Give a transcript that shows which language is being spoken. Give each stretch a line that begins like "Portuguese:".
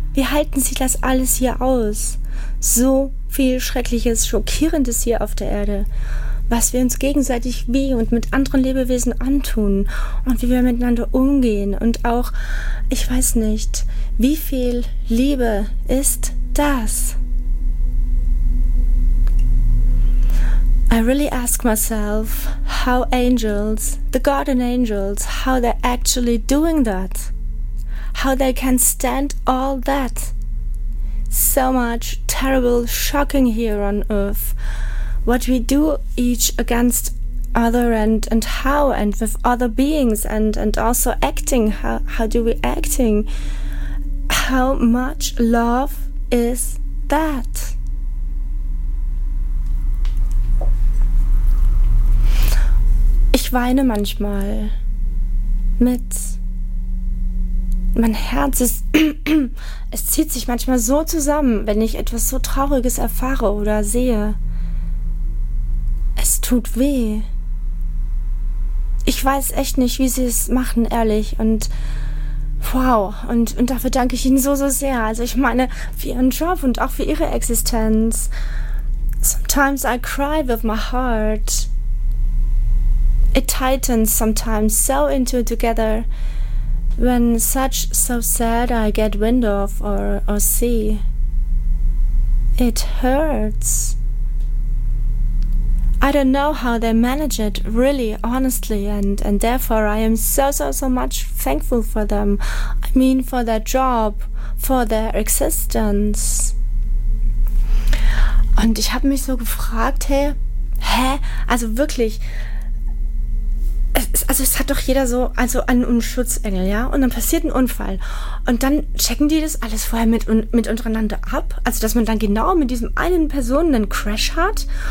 German: Wie halten sie das alles hier aus? So viel Schreckliches, Schockierendes hier auf der Erde. Was wir uns gegenseitig wie und mit anderen Lebewesen antun und wie wir miteinander umgehen und auch, ich weiß nicht, wie viel Liebe ist das?
English: I really ask myself how angels, the garden angels, how they're actually doing that. How they can stand all that. So much terrible shocking here on earth. What we do each against other and how and with other beings and also acting. How do we acting? How much love is that?
German: Ich weine manchmal mit. Mein Herz ist, es zieht sich manchmal so zusammen, wenn ich etwas so Trauriges erfahre oder sehe. Es tut weh. Ich weiß echt nicht, wie sie es machen, ehrlich. Und wow, und dafür danke ich ihnen so, so sehr. Also ich meine, für ihren Job und auch für ihre Existenz.
English: Sometimes I cry with my heart. It tightens sometimes so into together when such so sad I get wind of or see. It hurts. I don't know how they manage it, really, honestly, and therefore I am so, so, so much thankful for them. I mean, for their job, for their existence.
German: Und ich habe mich so gefragt, hä? Also wirklich, es hat doch jeder so, also einen Schutzengel, ja? Und dann passiert ein Unfall. Und dann checken die das alles vorher mit untereinander ab? Also, dass man dann genau mit diesem einen Person einen Crash hat?